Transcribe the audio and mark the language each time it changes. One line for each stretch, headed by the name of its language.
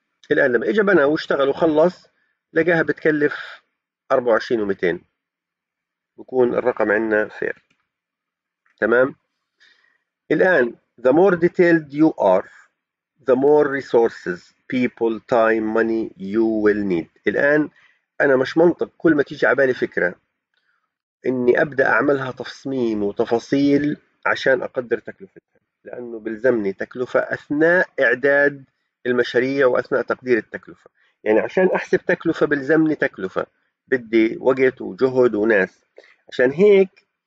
Arabic: الان لما اجى بنا واشتغل وخلص لقاها بتكلف 24,200، بكون الرقم عندنا فير، تمام. الان
English: the more detailed you are, the more resources, people, time, money you will need.
Arabic: الآن أنا مش منطق كل ما تيجي على بالي فكرة إني أبدأ أعملها تصميم وتفاصيل عشان أقدر تكلفتها، لأنه بلزمني تكلفة أثناء إعداد المشاريع وأثناء تقدير التكلفة. يعني عشان أحسب تكلفة بلزمني تكلفة، بدي وقت وجهد وناس. عشان هيك